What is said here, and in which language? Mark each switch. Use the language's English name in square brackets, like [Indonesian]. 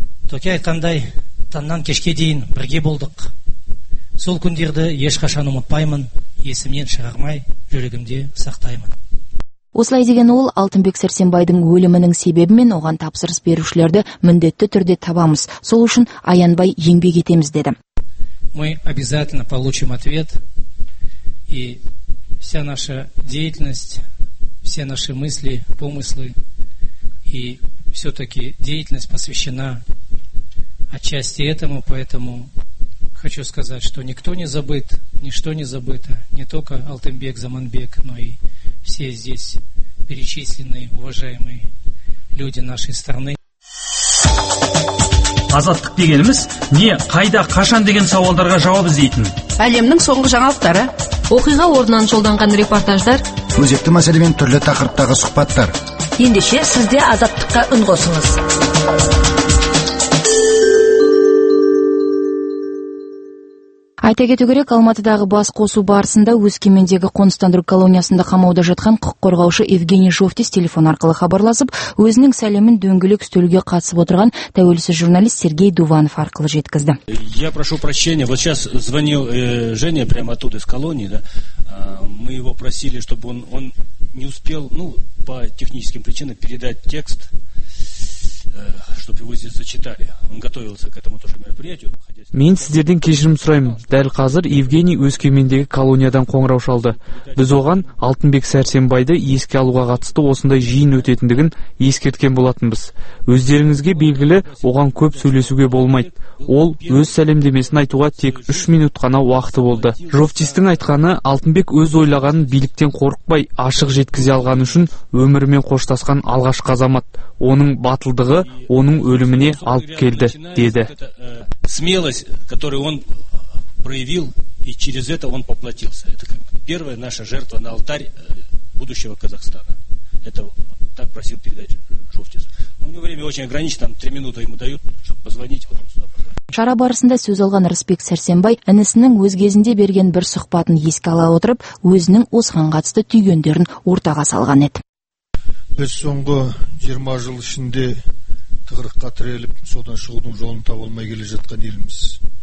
[Kazakh] Төке айтқандай, таңнан кешке дейін бірге болдық. Сол күндерді ешқашан ұмытпаймын, есімнен шығармай, жүрегімде сақтаймын. Осылай деген ол, Алтынбек Сәрсенбайдың өлімінің себебі мен оған тапсырыс берушілерді міндетті түрде табамыз. Сол үшін аянбай еңбек етеміз деді. [Russian] Мы обязательно получим ответ, и вся наша деятельность, все наши мысли, помыслы и все-таки деятельность посвящена отчасти этому, поэтому хочу сказать, что никто не забыт, ничто не забыто, не только Алтынбек Заманбек, но и все здесь перечисленные уважаемые люди нашей страны. [Kazakh] Азаттық дегеніміз не, қайда, қашан деген сауалдарға жауап іздейтін. Әлемнің соңғы жаңалықтары, оқиға орнынан жолданған репортаждар, өзекті мәселемен түрлі тақырыптағы сұхбаттар. Ендеше сізде азаттыққа үн қосыңыз. Айта кету керек, Алматыдағы бас қосу барысында Өскемендегі қоныстандыру колониясында қамауда жатқан құқық қорғаушы Евгений Жовтис телефон арқылы хабарласып, өзінің сәлемін дөңгелек үстелге қатысып отырған тәуелсіз журналист Сергей Дуванов арқылы жеткізді. [Russian] Я прошу прощения, вот сейчас звонил Женя прямо оттуда из колонии, да? Мы его просили, чтобы он не успел, ну, по техническим причинам передать текст, чтобы его здесь зачитали. Он готовился к этому тоже мероприятию. [Kazakh] Мен сіздерден кешірім сұраймын. Дәл қазір Евгений Өскемендегі колониядан қоңырау шалды. Біз оған Алтынбек Сәрсенбайды еске алуға қатысты осындай жиын өтетіндігін ескерткен болатынбыз. Өздеріңізге белгілі, оған көп сөйлесуге болмайды. Ол өз сәлемдемесін айтуға тек 3 минут қана уақыты болды. Жовтистің айтқаны, Алтынбек өз ойлағанын биліктен қорықпай ашық жеткізе алғаны үшін өмірімен қоштасқан алғашқы азамат. Оның батылдығы оның өліміне алып келді, деді. [Russian] Смелость, которую он проявил, и через это он поплатился. Это первая наша жертва на алтарь будущего Казахстана. Это так просил передать Жовтис. У него время очень ограничено, там 3 минуты ему дают, чтобы позвонить. [Kazakh] Шара барысында сөз алған Рысбек Сәрсенбай інісінің өз кезінде берген бір сұхбатын еске ала отырып, өзінің осыған қатысты түйгендерін ортаға салған еді. Біз соңғы 20 жыл ішінде тығырыққа тіреліп, содан шығудың жолын таба алмай келе жатқан еліміз.